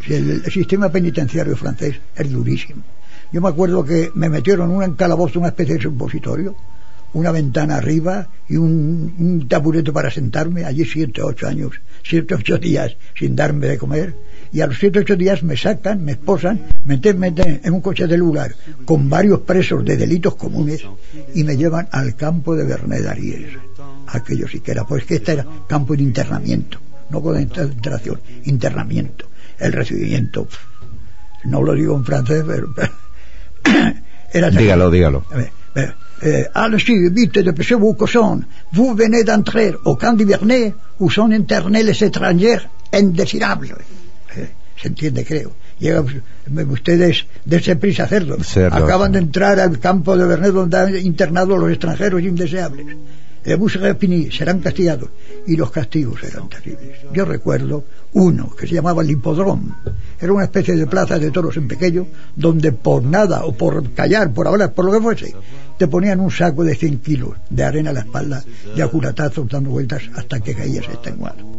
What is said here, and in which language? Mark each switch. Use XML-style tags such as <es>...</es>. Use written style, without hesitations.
<es>Sí, el sistema penitenciario francés es durísimo. Yo me acuerdo que me metieron en un calabozo, una especie de supositorio, una ventana arriba y un taburete para sentarme allí 7 o 8 años, 7 o 8 días sin darme de comer, y a los 7 o 8 días me sacan, me esposan, me meten en un coche de lugar con varios presos de delitos comunes y me llevan al campo de Bernedariés. Aquello siquiera, pues que este era campo de internamiento, no concentración, internamiento. El recibimiento, no lo digo en francés, pero era terrible. Dígalo.</es> <fr>Allez-y, vite, dépêchez vos cochons. Vous venez d'entrer au camp d'hiverner où sont internés les étrangers indésirables.</fr> <es>Se entiende, creo. Llega, ustedes, dense prisa a hacerlo. Acaban de entrar al campo de Bernet donde han internado los extranjeros indeseables. serán castigados, y los castigos eran terribles. Yo recuerdo uno que se llamaba el hipodrome, era una especie de plaza de toros en pequeño, donde por nada o por callar, por hablar, por lo que fuese, te ponían un saco de 100 kilos de arena a la espalda y a culatazos dando vueltas hasta que caías extenuado.</es>